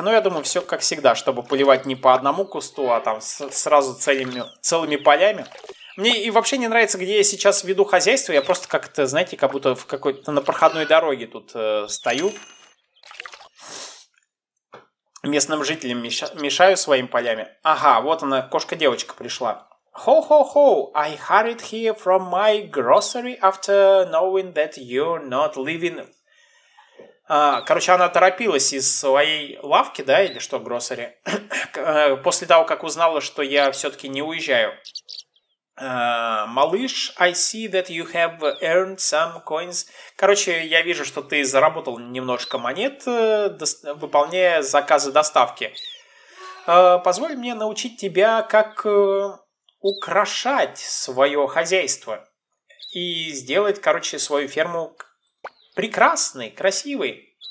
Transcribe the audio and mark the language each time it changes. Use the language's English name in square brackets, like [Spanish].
[Russian] Но я думаю, все как всегда, чтобы поливать не по одному кусту, а там сразу целыми полями. Мне и вообще не нравится, где я сейчас веду хозяйство. Я просто как-то, знаете, как будто в какой-то на проходной дороге тут стою. Местным жителям мешаю своими полями. Ага, вот она, кошка-девочка пришла. [English] Хо-хо-хо, I hurried here from my grocery after knowing that you're not living. [Russian] Короче, она торопилась из своей лавки, да, или что, grocery, после того, как узнала, что я все-таки не уезжаю. Малыш, [English] I see that you have earned some coins. [Russian] Короче, я вижу, что ты заработал немножко монет, выполняя заказы доставки. Позволь мне научить тебя, как... украшать свое хозяйство и сделать, короче, свою ферму прекрасной, красивой.